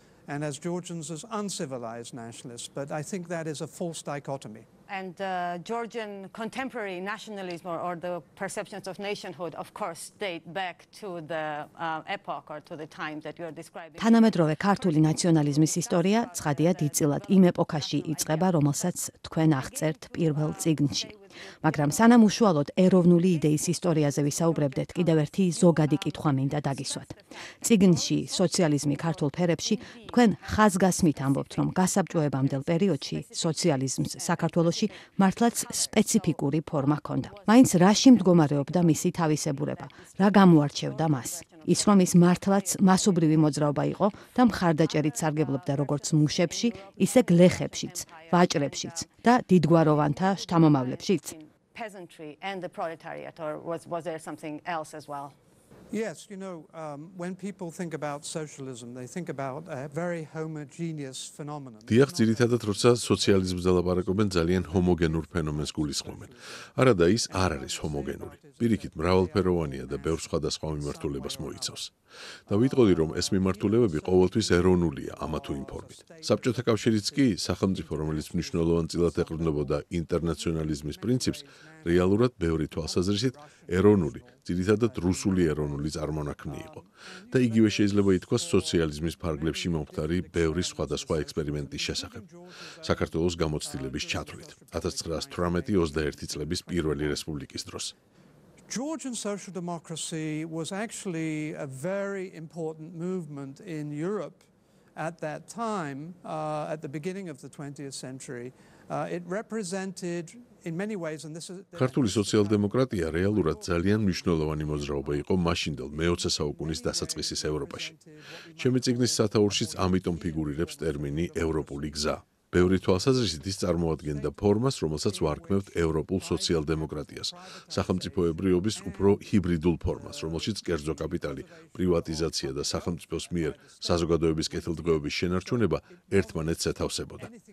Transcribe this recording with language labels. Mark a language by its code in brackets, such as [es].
[en] And as Georgians as uncivilized nationalists, but I think that is a false dichotomy. And Georgian contemporary nationalism or the perceptions of nationhood, of course, date back to the epoch or to the time that you are describing. [ka] თანამედროვე ქართული ნაციონალიზმის ისტორია ცხადია დიდწილად იმ ეპოქაში იწყება, რომელსაც თქვენ აღწერთ პირველ წიგნში. მაგრამ სანამ უშუალოდ ეროვნული იდეის ისტორიაზე ვისაუბრებდეთ, კიდევ ერთი ზოგადი კითხვა მინდა დაგისვათ. წიგნში სოციალიზმი ქართულ ფერებში თქვენ ხაზგასმით ამბობთ, რომ გასაბჭოებამდელ პერიოდში სოციალიზმს საქართველოში მართლაც სპეციფიკური ფორმა ჰქონდა. მაინც რაში მდგომარეობდა მისი თავისებურება? რა გამოარჩევდა მას? ის რომ ის მართლაც მასობრივი მოძრაობა იყო და მხარდაჭერით სარგებლობდა როგორც მუშებში, ისე გლეხებშიც, ვაჭრებშიც და დიდგვაროვანთა შთამომავლებშიც. [en] Peasantry and the proletariat or was there something else as well? Yes, you know, when people think about socialism, they think about a very homogeneous phenomenon. [ka] დიახ, ძირითადად როცა სოციალიზმს დაბარაკობენ, ძალიან ჰომოგენურ ფენომენს გულისხმობენ. არადა ის არ არის ჰომოგენური. პირიქით, მრავალფეროვანია და ბევრ სხვადასხვა მიმართულებას მოიცავს. და ვიტყოდი, რომ ეს მიმართულებები ყოველთვის ეროვნულია ამა თუ იმ ფორმით. საბჭოთა კავშირიც კი, სახელმწიფო, რომელიც მნიშვნელოვან წილად ეყრდნობოდა ინტერნაციონალიზმის პრინციპს, რეალურად ბევრი თვალსაზრისით ეროვნული, ძირითადად რუსული ეროვნული წარმონაქმნი იყო. და იგივე შეიძლება ითქვას სოციალიზმის ფარგლებში მომხდარი ბევრი სხვადასხვა ექსპერიმენტის შესახებ. საქართველოს გამოცდილების ჩათვლით, 1918-21 წლების პირველი რესპუბლიკის დროს. [en] Georgian social democracy was actually a very important movement in Europe at that time, at the beginning of the 20th century. It represented in many ways and this is [ka] ქართული სოციალ-დემოკრატია რეალურად ძალიან მნიშვნელოვანი მოძრაობა იყო მაშინდელ 20 საუკუნის დასაწყისის ევროპაში. ჩემი წიგნის სათაურშიც ამიტომ ფიგურირებს ტერმინი ევროპული გზა. ბევრი თვალსაზრისით ის წარმოადგენდა ფორმას, რომელსაც ვარქმევთ ევროპულ სოციალ-დემოკრატიას, სახელმწიფოებრიობის უფრო ჰიბრიდულ ფორმას, რომელშიც კერძო კაპიტალი, პრივატიზაცია და სახელმწიფოს მიერ საზოგადოების კეთილდღეობის შენარჩუნება ერთმანეთს ეთავსებოდა.